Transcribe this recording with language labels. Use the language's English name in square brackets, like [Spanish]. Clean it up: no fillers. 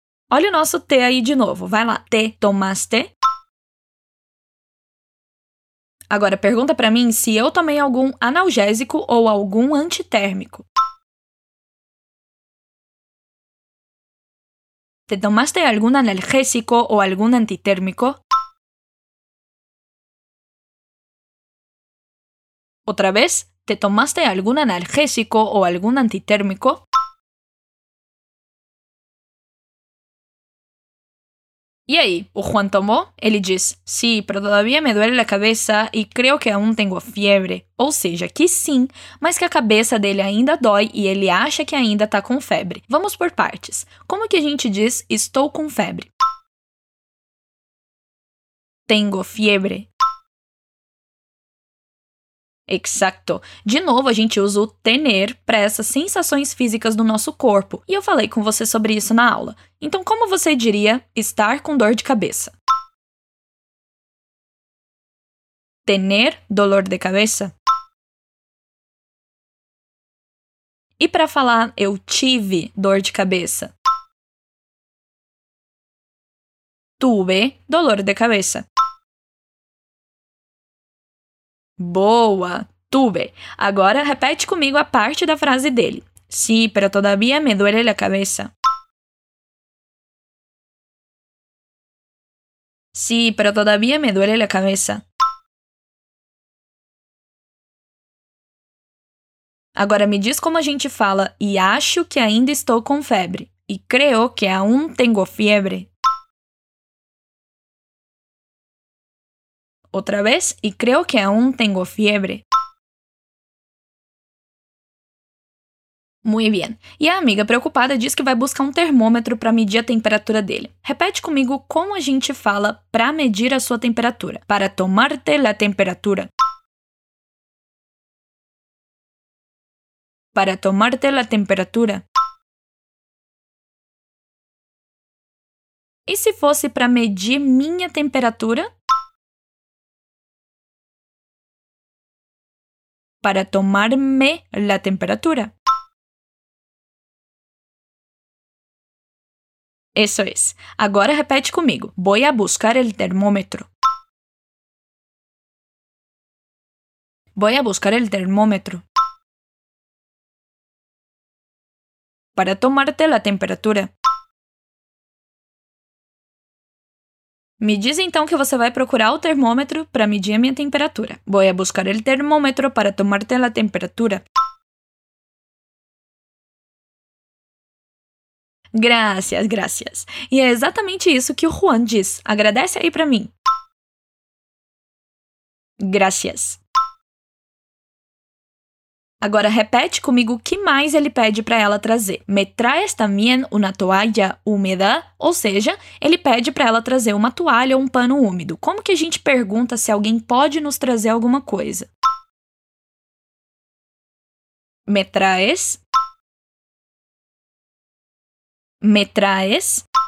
[Portuguese] Olha o nosso te aí de novo. Vai lá. [Spanish] Te tomaste? [Portuguese] Agora, pergunta pra mim se eu tomei algum analgésico ou algum antitérmico. [Spanish] ¿Te tomaste algún analgésico o algún antitérmico? ¿Otra vez? ¿Te tomaste algún analgésico o algún antitérmico? ¿Y ahí? ¿O Juan tomó? Eliges. Sí, pero todavía me duele la cabeza y creo que aún tengo fiebre. O sea, que sí, [Portuguese] mas que a cabeza dele ainda dói y ele acha que ainda está con febre. Vamos por partes. Como que a gente diz estou com febre? [Spanish] Tengo fiebre. [Portuguese] Exato. De novo, a gente usa o tener para essas sensações físicas do nosso corpo. E eu falei com você sobre isso na aula. Então, como você diria estar com dor de cabeça? [Spanish] Tener dolor de cabeça? [Portuguese] E para falar eu tive dor de cabeça? [Spanish] Tuve dolor de cabeça. [Portuguese] Boa! Tuve. Agora repete comigo a parte da frase dele. [Spanish] Sí, pero todavía me duele la cabeza. Sí, pero todavía me duele la cabeza. [Portuguese] Agora me diz como a gente fala y acho que ainda estou con febre. [Spanish] Y creo que aún tengo fiebre. Otra vez, y creo que aún tengo fiebre. Muy bien. [Portuguese] Y a amiga preocupada diz que vai buscar un termômetro para medir a temperatura dele. Repete comigo como a gente fala para medir a sua temperatura. [Spanish] Para tomarte la temperatura. Para tomarte la temperatura. [Portuguese] E se fosse para medir minha temperatura? [Spanish] Para tomarme la temperatura. Eso es. [Portuguese] Agora repete comigo. [Spanish] Voy a buscar el termómetro. Voy a buscar el termómetro. Para tomarte la temperatura. [Portuguese] Me diz então que você vai procurar o termômetro para medir a minha temperatura. [Spanish] Voy a buscar el termómetro para tomarte la temperatura. Gracias, gracias. [Portuguese] E é exatamente isso que o Juan diz. Agradece aí para mim. [Spanish] Gracias. [Portuguese] Agora repete comigo o que mais ele pede para ela trazer. [Spanish] Me traes también una toalla húmeda? [Portuguese] Ou seja, ele pede para ela trazer uma toalha ou um pano úmido. Como que a gente pergunta se alguém pode nos trazer alguma coisa? [Spanish] Me traes? Me traes?